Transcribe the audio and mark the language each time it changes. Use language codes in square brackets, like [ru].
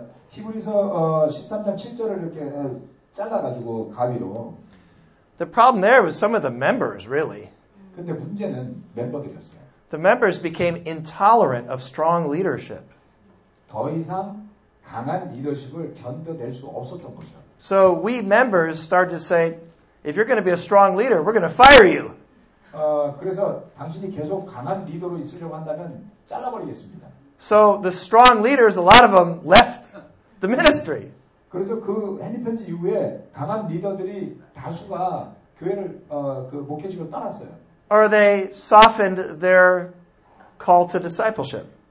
[ko] 히브리서 13장 7절을 이렇게 잘라가지고 가위로 [en] The problem there was some of the members, really. [ko] 근데 문제는 멤버들이었어요. [en] The members became intolerant of strong leadership. [ko] 더 이상 강한 리더십을 견뎌낼 수 없었던 거죠. [en] So we members started to say, If you're going to be a strong leader, we're going to fire you. [ko] 그래서 당신이 계속 강한 리더로 있으려고 한다면 잘라버리겠습니다. [en] So the strong leaders, a lot of them left the ministry. [ko] 그래서 그 헨리 편지 이후에 강한 리더들이 다수가 교회를 그 목회직을 떠났어요. [en] Or they softened their call to discipleship.